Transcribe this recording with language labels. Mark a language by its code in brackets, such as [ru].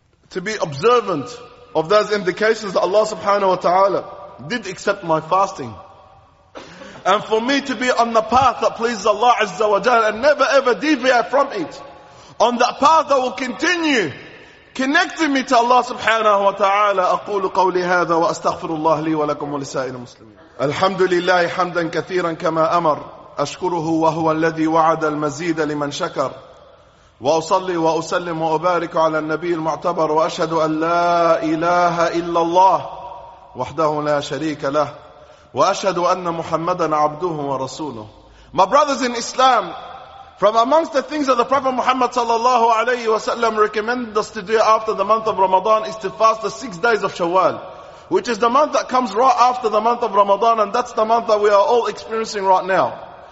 [en] To be observant of those indications that Allah subhanahu wa ta'ala did accept my fasting. And for me to be on the path that pleases Allah azza wa jalla and never ever deviate from it. On that path that will continue connecting me to Allah subhanahu wa ta'ala. [ar] أقول قولي هذا وأستغفر الله لي ولكم ولسائر المسلمين. الحمد لله حمدا كثيرا كما أمر. أشكره وهو الذي وعد المزيد لمن شكر. وأصلي وأسلم وأبارك على النبي المعتبر وأشهد أن لا إله إلا الله وحده لا شريك له وأشهد أن محمدا عبده ورسوله. [en] My brothers in Islam, from amongst the things that the Prophet Muhammad sallallahu alayhi wa sallam recommended us to do after the month of Ramadan is to fast the 6 days of Shawwal, which is the month that comes right after the month of Ramadan, and that's the month that we are all experiencing right now.